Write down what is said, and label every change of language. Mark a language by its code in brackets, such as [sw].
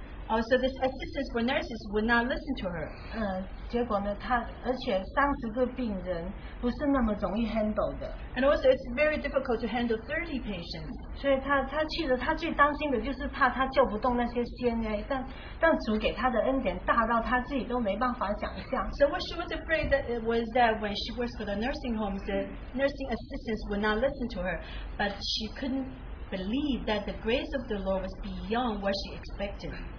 [en] Also, this assistant for nurses would not listen to her. [zh] 结果呢，她而且30个病人不是那么容易handle的. [en] And also, it's very difficult to handle 30 patients. [zh] 所以她去的，她最担心的就是怕她救不动那些CNA，但主给她的恩典大到她自己都没办法想象. [en] So what she was afraid that it was that when she works for the nursing homes, the nursing assistants would not listen to her, but she couldn't believe that the grace of the Lord was beyond what she expected.